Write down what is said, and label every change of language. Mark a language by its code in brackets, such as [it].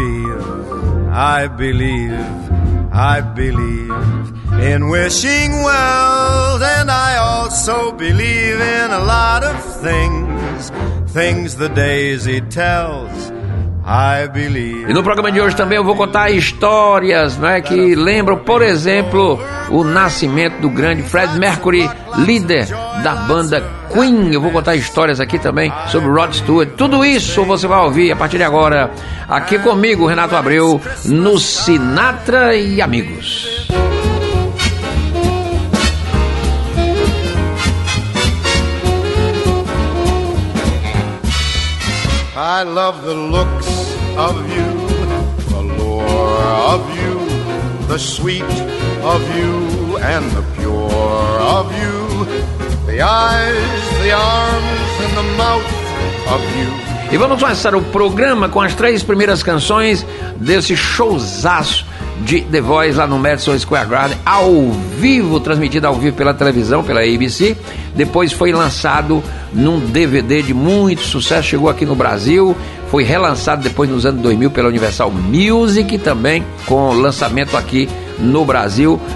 [en] I believe, in wishing well, and I also believe in a lot of things, things the daisy tells. I believe. [pt] E no programa de hoje também eu vou contar histórias, né, que lembram, por exemplo, o nascimento do grande Fred Mercury, líder da banda Queen. Eu vou contar histórias aqui também sobre Rod Stewart. Tudo isso você vai ouvir a partir de agora, aqui comigo, Renato Abreu, no Sinatra e Amigos. [en] I love the looks of you, the lure of you, the sweet of you, and the pure of you. The eyes, the arms, and the mouth of you. [pt] E vamos começar o programa com as três primeiras canções desse showzaço de The Voice lá no Madison Square Garden, ao vivo, transmitido ao vivo pela televisão, pela ABC. Depois foi lançado num DVD de muito sucesso, chegou aqui no Brasil, foi relançado depois nos anos 2000 pela Universal Music, também com lançamento aqui no Brasil.